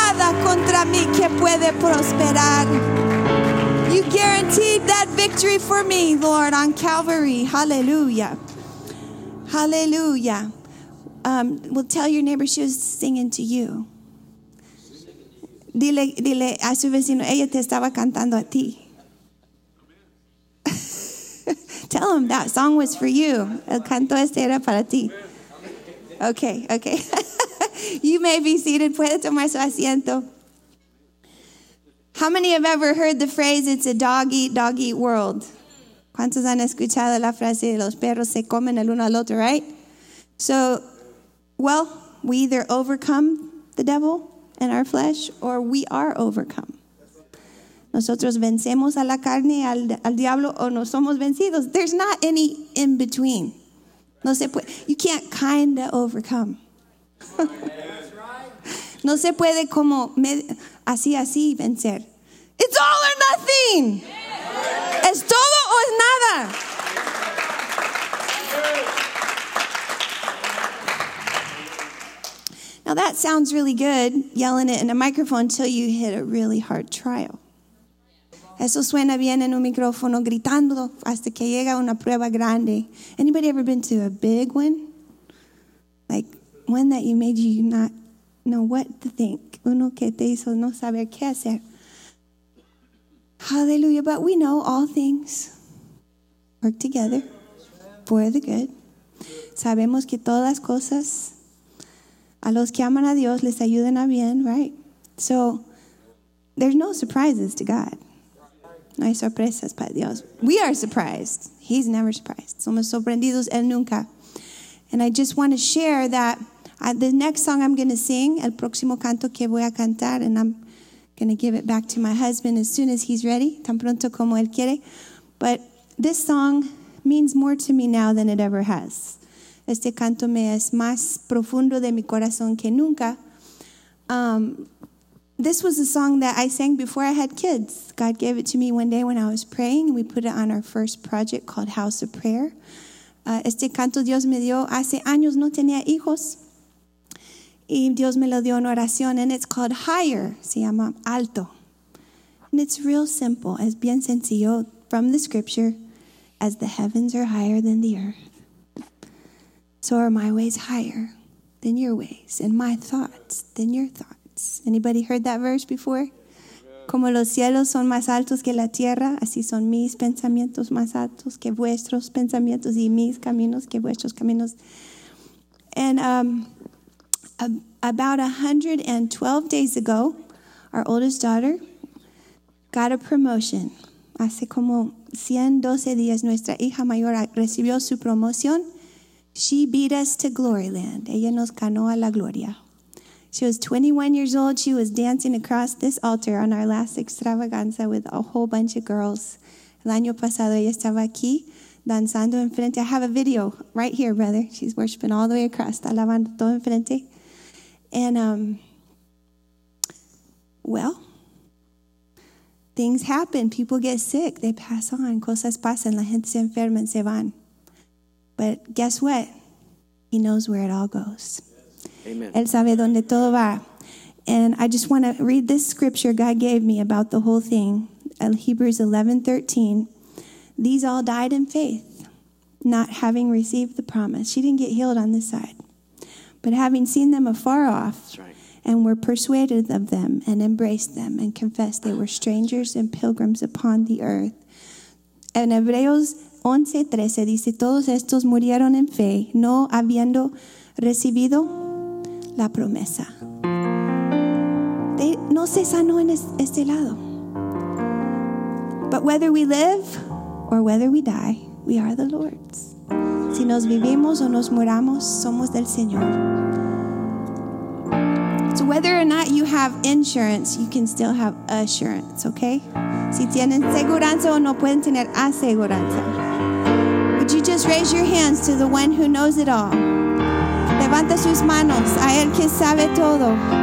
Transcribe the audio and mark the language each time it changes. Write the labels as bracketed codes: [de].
[es] Prosperar. [en] You guaranteed that victory for me, Lord, on Calvary. Hallelujah. Hallelujah. Well, tell your neighbor she was singing to you. [es] Dile, dile a su vecino, ella te estaba cantando a ti. [en] Tell him that song was for you. [es] El canto este era para ti. [en] Okay, okay. You may be seated. [es] Puede tomar su asiento. [en] How many have ever heard the phrase, it's a dog-eat-dog-eat world? [es] ¿Cuántos han escuchado la frase, los perros se comen el uno al otro, right? [en] So, well, we either overcome the devil and our flesh, or we are overcome. [es] Nosotros vencemos a la carne, al diablo, o no somos vencidos. [en] There's not any in between. [es] No se puede, [en] you can't kind of overcome. [es] No se puede como así, así vencer. [en] It's all or nothing. Yeah. [es] Es todo o es nada. [en] Now that sounds really good, yelling it in a microphone until you hit a really hard trial. [es] Eso suena bien en un micrófono gritándolo hasta que llega una prueba grande. [en] Anybody ever been to a big one? Like one that you made you not know what to think. [es] Uno que te hizo no saber qué hacer. [en] Hallelujah, but we know all things work together for the good. [es] Sabemos que todas las cosas a los que aman a Dios les ayuden a bien, [en] right? So, there's no surprises to God. [es] No hay sorpresas para Dios. [en] We are surprised. He's never surprised. [es] Somos sorprendidos, él nunca. [en] And I just want to share that the next song I'm going to sing, [es] el próximo canto que voy a cantar, [en] and I'm going to give it back to my husband as soon as he's ready, [es] tan pronto como él quiere. [en] But this song means more to me now than it ever has. [es] Este canto me es más profundo de mi corazón que nunca. [en] This was a song that I sang before I had kids. God gave it to me one day when I was praying, and we put it on our first project called House of Prayer. [es] Este canto Dios me dio hace años, no tenía hijos. Y Dios me lo dio en oración, [en] and it's called Higher. [es] Se llama Alto. [en] And it's real simple. [es] Es bien sencillo [en] from the scripture. As the heavens are higher than the earth, so are my ways higher than your ways, and my thoughts than your thoughts. Anybody heard that verse before? [es] Como los cielos son más altos que la tierra, así son mis pensamientos más altos que vuestros pensamientos y mis caminos que vuestros caminos. [en] And about 112 days ago, our oldest daughter got a promotion. [es] Hace como 112 días, nuestra hija mayor recibió su promoción. [en] She beat us to glory land. [es] Ella nos ganó a la gloria. [en] She was 21 years old. She was dancing across this altar on our last extravaganza with a whole bunch of girls. [es] El año pasado, ella estaba aquí danzando enfrente. [en] I have a video right here, brother. She's worshiping all the way across. [es] Está alabando todo enfrente. [en] And, well, things happen. People get sick. They pass on. [es] Cosas pasan. La gente se enferma y se van. [en] But guess what? He knows where it all goes. Amen. [es] Él sabe donde todo va. [en] And I just want to read this scripture God gave me about the whole thing. Hebrews 11:13. These all died in faith, not having received the promise. She didn't get healed on this side. But having seen them afar off, that's right, and were persuaded of them and embraced them and confessed they were strangers and pilgrims upon the earth. [es] En Hebreos 11:13 dice, todos estos murieron en fe, no habiendo recibido la promesa. [en] They, [es] no se sanó en este lado. [en] But whether we live or whether we die, we are the Lord's. [es] Si nos vivimos o nos muramos, somos del Señor. [en] So whether or not you have insurance, you can still have assurance, okay? [es] Si tienen seguranza o no pueden tener aseguranza. [en] Would you just raise your hands to the one who knows it all? [es] Levanta sus manos a él que sabe todo.